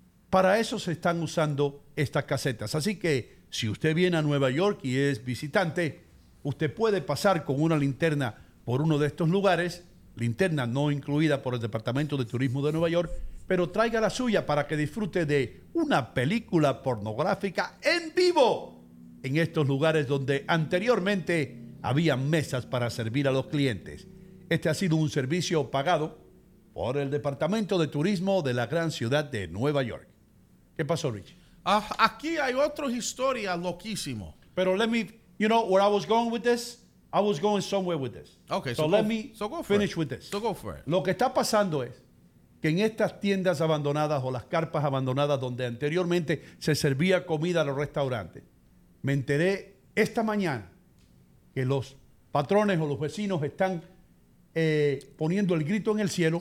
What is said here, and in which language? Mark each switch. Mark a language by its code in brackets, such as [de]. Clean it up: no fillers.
[es] Para eso se están usando estas casetas. Así que si usted viene a Nueva York y es visitante, usted puede pasar con una linterna por uno de estos lugares, linterna no incluida por el Departamento de Turismo de Nueva York, pero traiga la suya para que disfrute de una película pornográfica en vivo en estos lugares donde anteriormente había mesas para servir a los clientes. Este ha sido un servicio pagado por el Departamento de Turismo de la gran ciudad de Nueva York. ¿Qué pasó, Rich? Aquí hay otra historia loquísima. [en] Pero let me, you know where I was going with this? I was going somewhere with this. Okay, so let me finish with this. So go for it. [es] Lo que está pasando es que en estas tiendas abandonadas o las carpas abandonadas donde anteriormente se servía comida a los restaurantes, me enteré esta mañana que los patrones o los vecinos están poniendo el grito en el cielo.